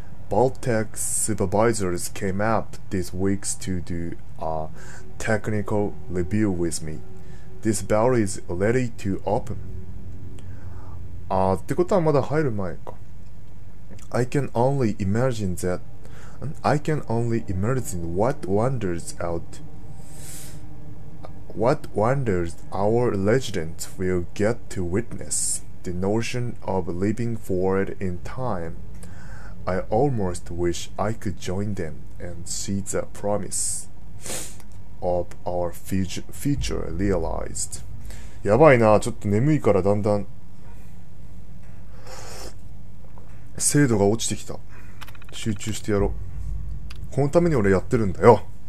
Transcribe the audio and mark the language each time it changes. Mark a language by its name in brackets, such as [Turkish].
[English] Baltec supervisors came up this week to do a technical review with me. This bell is ready to open. [Japanese] ってことはまだ入る前か。 [English] I can only imagine thatI can only imagine what wonders our residents will get to witness. The notion of leaping forward in time, I almost wish I could join them and see the promise of our future realized. [Japanese] やばいな、ちょっと眠いからだんだん精度が落ちてきた。集中してやろう。このために俺やってるんだよ。